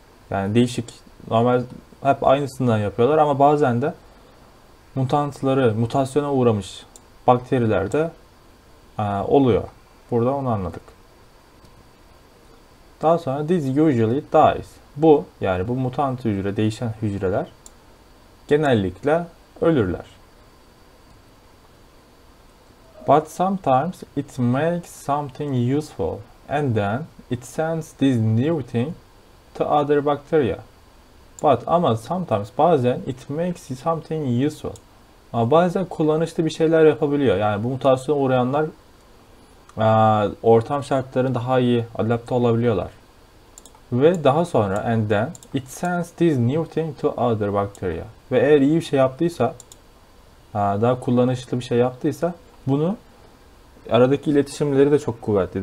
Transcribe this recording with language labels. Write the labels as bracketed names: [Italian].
[Turkish] Yani değişik, normal hep aynısından yapıyorlar ama bazen de mutantları, mutasyona uğramış bakteriler de oluyor. Burada onu anladık. Daha sonra [English] this usually dies. [Turkish] Bu, yani bu mutant hücre, değişen hücreler genellikle ölürler. [English] But sometimes it makes something useful and then it sends this new thing to other bacteria. But [Turkish] ama [English] sometimes [Turkish] bazen [English] it makes something useful. [Turkish] Ama bazen kullanışlı bir şeyler yapabiliyor. Yani bu mutasyona uğrayanlar ortam şartlarına daha iyi adapte olabiliyorlar. Ve daha sonra [English] and then it sends this new thing to other bacteria. [Turkish] Ve eğer iyi bir şey yaptıysa daha kullanışlı bir şey yaptıysa bunu aradaki iletişimleri de çok kuvvetli.